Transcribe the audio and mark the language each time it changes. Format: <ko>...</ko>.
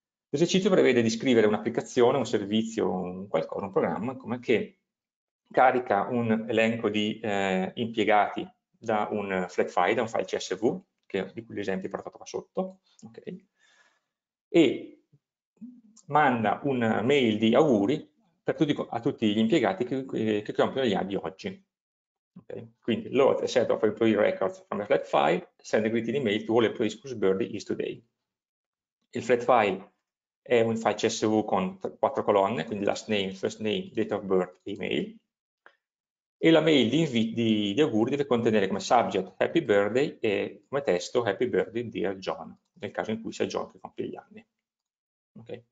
<it>L'esercizio prevede di scrivere un'applicazione, un servizio, un qualcosa, un programma, come che carica un elenco di impiegati da un flat file, da un file CSV, di cui l'esempio è portato qua sotto, okay? E manda una mail di auguri a tutti gli impiegati che compiono gli anni di oggi.</it> <en>Okay. Quindi, load a set of employee records from a flat file, send a greeting email to all employees whose birthday is today.</en> <it>Il flat file è un file CSV con quattro colonne, quindi</it> <en>last name, first name, date of birth, email.</en> <it>E la mail di auguri deve contenere come subject happy birthday e come testo</it> <en>happy birthday dear John,</en> <it>nel caso in cui sia John che compie gli anni. Okay.</it>